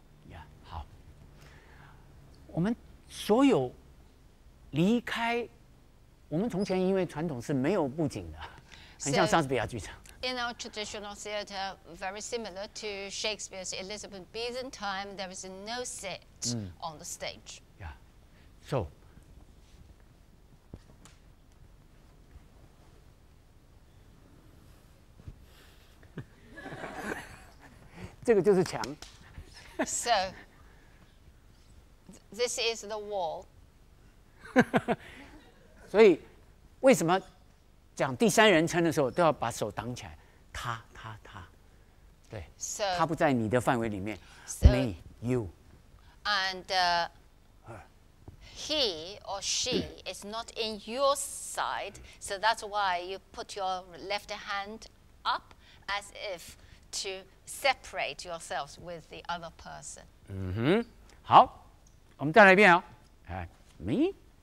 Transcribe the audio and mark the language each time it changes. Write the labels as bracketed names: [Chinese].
[Chinese] Yeah, 好。我们所有离开 我们从前因为传统是没有布景的，很像莎士比亚剧场。 [English] So, in our traditional theatre, very similar to Shakespeare's Elizabethan time, there is no set on the stage. Yeah. So. So. This is the wall. [Chinese] 所以。为什么讲第三人称的时候都要把手挡起来？他，对，他不在你的范围里面。 [English] Me, you, and he or she is not in your side, so that's why you put your left hand up as if to separate yourselves with the other person. [Chinese] 嗯哼，好，我们再来一遍啊，哎，me。